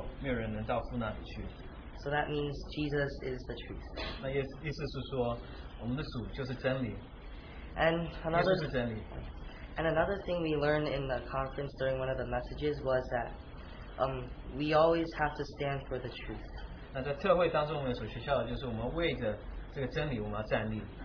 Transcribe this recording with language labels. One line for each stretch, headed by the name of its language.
Chinese: 就是说我就是道路真理生命若不借着我没有人能到父那里去
English: So that means Jesus is the truth
Chinese: 那意思是说我们的主就是真理
English: And another thing we learned in the conference during one of the messages was that we always have to stand for the truth
Chinese: 那在特会当中我们所学校的就是我们为着这个真理我们要站立